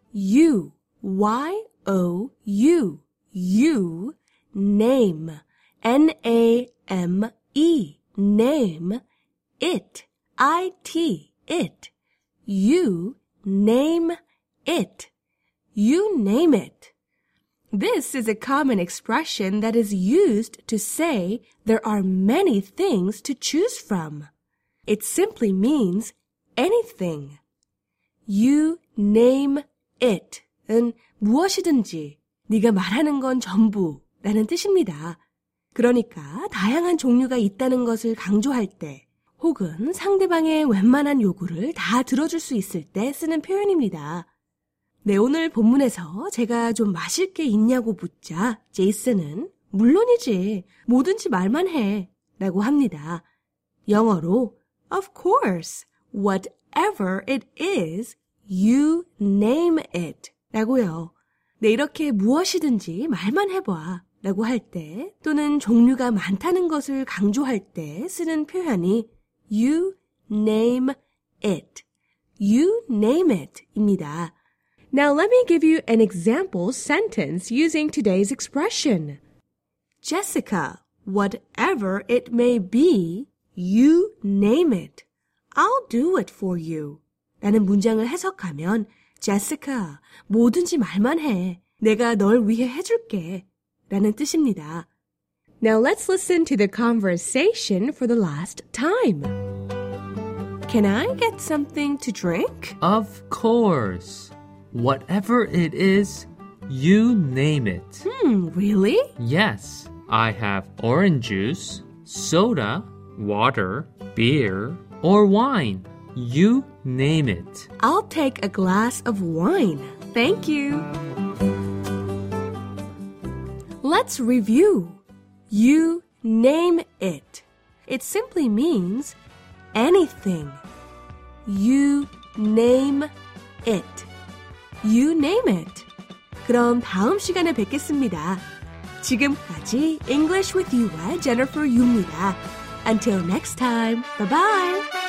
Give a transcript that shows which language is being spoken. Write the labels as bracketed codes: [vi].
[en] You, Y-O-U, you, name, N-A-M-E, name, it, I-T, it, you, name, it, you name it. This is a common expression that is used to say there are many things to choose from. It simply means anything. You name It은 [ko] 무엇이든지, 네가 말하는 건 전부라는 뜻입니다. 그러니까 다양한 종류가 있다는 것을 강조할 때 혹은 상대방의 웬만한 요구를 다 들어줄 수 있을 때 쓰는 표현입니다. 네, 오늘 본문에서 제가 좀 마실 게 있냐고 묻자 제이슨은 물론이지, 뭐든지 말만 해 라고 합니다. 영어로 [en] Of course, whatever it is, You name it [ko] 라고요. 네, 이렇게 무엇이든지 말만 해봐 라고 할 때 또는 종류가 많다는 것을 강조할 때 쓰는 표현이 [en] You name it. You name it [ko] 입니다. [en] Now let me give you an example sentence using today's expression. Jessica, whatever it may be, you name it. I'll do it for you. [ko] 라는 문장을 해석하면 Jessica, 뭐든지 말만 해. 내가 널 위해 해줄게. 라는 뜻입니다. [en] Now let's listen to the conversation for the last time. Can I get something to drink? Of course. Whatever it is, you name it. Really? Yes. I have orange juice, soda, water, beer, or wine. You name it. I'll take a glass of wine. Thank you. Let's review. You name it. It simply means anything. You name it. You name it. [ko] 그럼 다음 시간에 뵙겠습니다. 지금까지 English with You와 Jennifer Yu입니다. [en] Until next time, bye-bye.